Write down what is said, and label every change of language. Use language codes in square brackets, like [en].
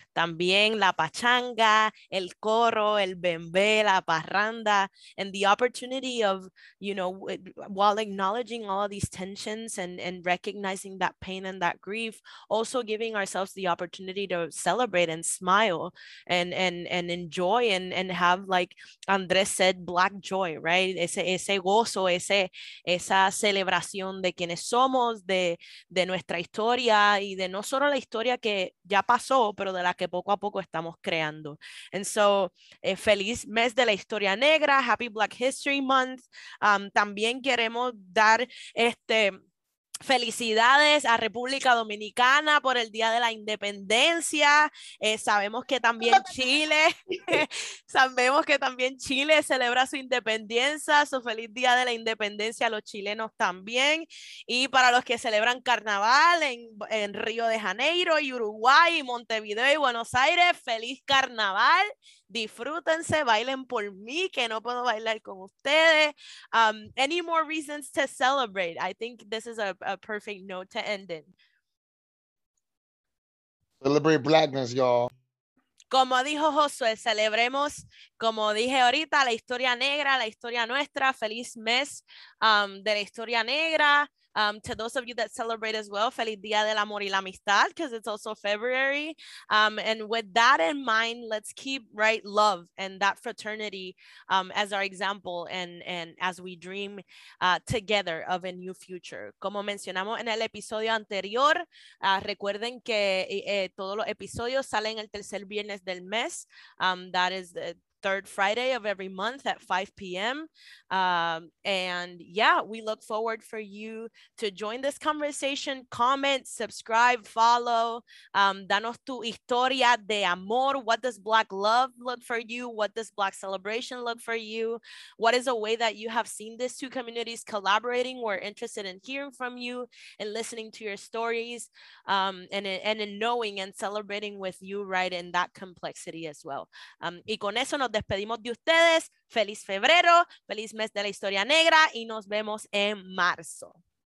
[es] También la pachanga, el coro, el bembé, la parranda, [en] and the opportunity of, you know, while acknowledging all of these tensions and recognizing that pain and that grief, also giving ourselves the opportunity to celebrate and smile and enjoy and have, like Andrés said, black joy, right? [es] Ese gozo, esa celebración de quienes somos, de nuestra historia y de no solo la historia que ya pasó, pero de la que poco a poco estamos creando. [en] And so, [es] feliz mes de la historia negra, [en] Happy Black History Month. [es] También queremos dar felicidades a República Dominicana por el Día de la Independencia. Sabemos que también Chile, sabemos que también Chile celebra su independencia, su feliz Día de la Independencia a los chilenos también. Y para los que celebran carnaval en Río de Janeiro y Uruguay y Montevideo y Buenos Aires, feliz carnaval. Disfrútense, bailen por mí, que no puedo bailar con ustedes. [en] Any more reasons to celebrate? I think this is a perfect note to end in. Celebrate blackness, y'all. [es] Como dijo Josué, celebremos, como dije ahorita, la historia negra, la historia nuestra. Feliz mes de la historia negra. [en] To those of you that celebrate as well, [es] feliz día del amor y la amistad, [en] because it's also February. And with that in mind, let's keep right love and that fraternity as our example and as we dream together of a new future. [es] Como mencionamos en el episodio anterior, recuerden que todos los episodios salen el tercer viernes del mes. [en] That is the third Friday of every month at 5 p.m. And yeah, we look forward for you to join this conversation. Comment, subscribe, follow. [es] Danos tu historia de amor. [en] What does Black love look for you? What does Black celebration look for you? What is a way that you have seen these two communities collaborating? We're interested in hearing from you and listening to your stories and in knowing and celebrating with you, right, in that complexity as well. [es] Y con eso nos despedimos de ustedes. Feliz febrero, feliz mes de la historia negra y nos vemos en marzo.